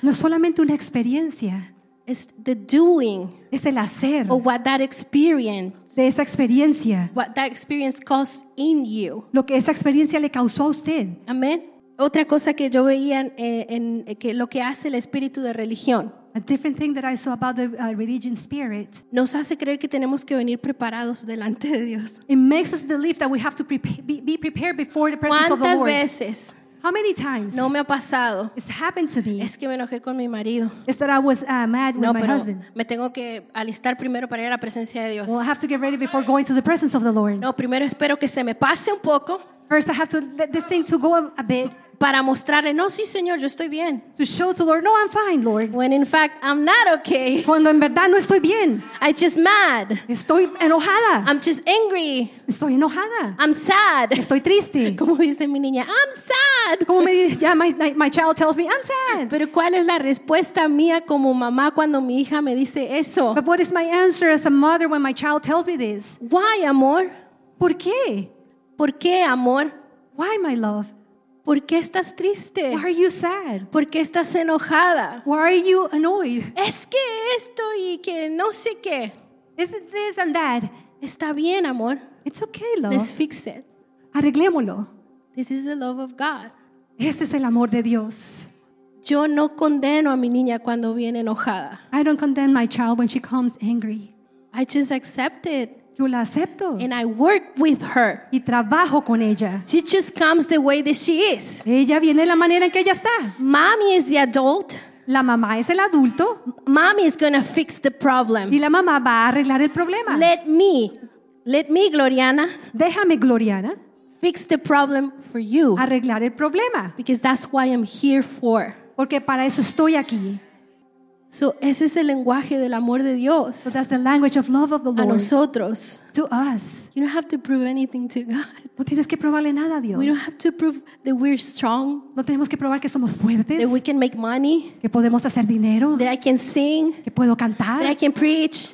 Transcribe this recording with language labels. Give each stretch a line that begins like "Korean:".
Spanish: No es solamente una experiencia.
English: It's the doing.
Spanish: Es el hacer.
English: Of what that experience.
Spanish: De esa experiencia.
English: What that experience caused in you.
Spanish: Lo que esa experiencia le causó a usted. Amén. Otra cosa que yo veía en que lo que hace el espíritu de religión.
English: A different thing that I saw about the religion spirit.
Spanish: Nos hace creer que tenemos que venir preparados delante de Dios.
English: It makes us believe that we have to be prepared before the presence of the Lord.
Spanish: ¿Cuántas veces?
English: How many times?
Spanish: No me ha pasado.
English: It's happened to me.
Spanish: Es que me enojé con mi marido.
English: It's that I was mad with no, my husband.
Spanish: Me tengo que alistar primero para ir a la presencia de Dios.
English: Well, I have to get ready before going to the presence of the Lord.
Spanish: No, primero espero que se me pase un poco.
English: First, I have to let this thing to go a bit.
Spanish: Para mostrarle, no, sí, Señor, yo estoy bien.
English: To show to the Lord, no, I'm fine, Lord. When in fact, I'm not okay.
Spanish: Cuando en verdad no estoy bien.
English: I'm just mad.
Spanish: Estoy enojada.
English: I'm just angry.
Spanish: Estoy enojada.
English: I'm sad.
Spanish: Estoy triste. Como dice mi niña,
English: I'm sad. Como me dice, yeah, my child tells me, I'm sad.
Spanish: Pero ¿cuál es la respuesta mía como mamá cuando mi hija me dice eso?
English: But what is my answer as a mother when my child tells me this? Why, amor?
Spanish: ¿Por qué? ¿Por qué, amor?
English: Why, my love?
Spanish: ¿Por qué estás triste?
English: Why are you sad?
Spanish: ¿Por qué estás enojada?
English: Why are you annoyed?
Spanish: Es que esto y que no sé qué.
English: Is it this and that?
Spanish: Está bien, amor.
English: It's okay, love. Let's fix it.
Spanish: Arreglémoslo.
English: This is the love of God.
Spanish: Este es el amor de Dios. Yo no condeno a mi niña cuando viene enojada.
English: I don't condemn my child when she comes angry. I just accept it.
Spanish: Yo la acepto.
English: And I work with her.
Spanish: Y trabajo con ella.
English: She just comes the way that she is.
Spanish: Ella viene de la manera en que ella está.
English: Mommy is the adult.
Spanish: La mamá es el adulto.
English: Mommy is gonna fix the problem.
Spanish: Y la mamá va a arreglar el problema.
English: Let me, Gloriana.
Spanish: Déjame, Gloriana.
English: Fix the problem for you.
Spanish: Arreglar el problema.
English: Because that's why I'm here for.
Spanish: Porque para eso estoy aquí. So ese es el lenguaje del amor de Dios.
English: So that's the language of love of the Lord.
Spanish: A nosotros.
English: To us. You don't have to prove anything to God.
Spanish: No tienes que probarle nada a Dios.
English: We don't have to prove that we're strong.
Spanish: No tenemos que probar que somos fuertes.
English: That we can make money.
Spanish: Que podemos hacer dinero.
English: That I can sing.
Spanish: Que puedo cantar.
English: That I can preach.